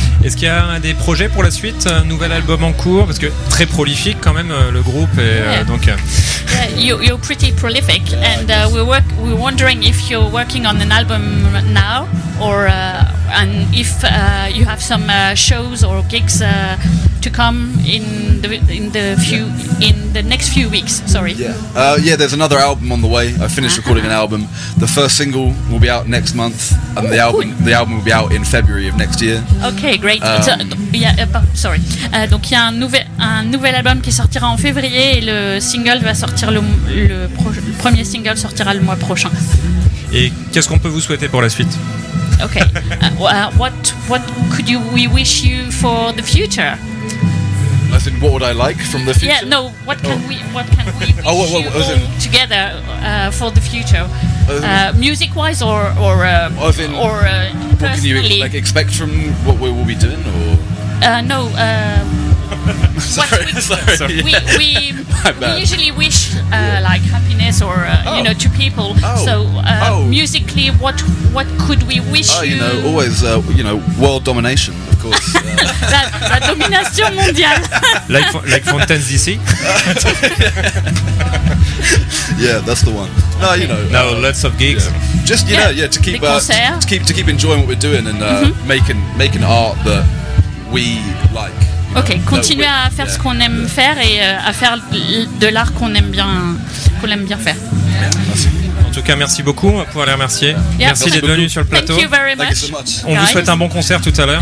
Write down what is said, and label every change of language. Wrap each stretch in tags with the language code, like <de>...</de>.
<fr>Est-ce qu'il y a des projets pour la suite? Un nouvel album en cours? Parce que très prolifique quand même le groupe. Et, donc,</fr> <en>You're pretty prolific. Yeah, and we're wondering if you're working on an album now, or and if you have some shows or gigs to come in the next few weeks. Sorry. Yeah. Yeah. There's another album on the way. I finished recording an album. The first single will be out next month, and the album will be out in February of next year. Okay, great.</en> <fr>Donc il y a un nouvel album qui sortira en février, et le single va sortir le premier single sortira le mois prochain. Et qu'est-ce qu'on peut vous souhaiter pour la suite?</fr> <en>Okay. What could we wish you for the future? As in, what would I like from the future? Yeah, no. What can we wish together for the future? Music-wise, what can you like expect from what we will be doing? Or no. Sorry, we usually wish like happiness or you know, to people. Musically, what could we wish you? You know, always world domination, of course.</en> <fr>la domination mondiale.</fr> <en>like Fontaine's DC. Yeah, that's the one. No, okay. Lots of gigs. Yeah. To keep to keep enjoying what we're doing and making art that we like.</en> <fr>Ok, continuer à faire ce qu'on aime faire et à faire de l'art qu'on aime bien faire. En tout cas, merci beaucoup. On va pouvoir les remercier. Yeah. Merci d'être venu sur le plateau.</fr> <en>Thank you very much. Thank you so much.</en> <fr>On vous souhaite un bon concert tout à l'heure.</fr>